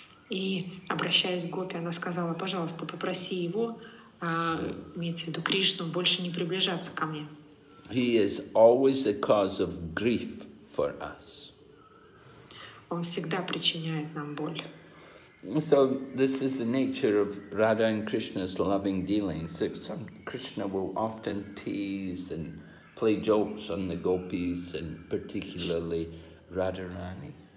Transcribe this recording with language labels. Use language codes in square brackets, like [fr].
[ru] И обращаясь к гопи, она сказала: "Пожалуйста, попроси его, имеется в виду Кришну, больше не приближаться ко мне." [en] He is always the cause of grief for us. [ru] Он всегда причиняет нам боль. [en] So this is the nature of Radha and Krishna's loving dealings. Some Krishna will often tease and play jokes on the gopis and particularly Radharani.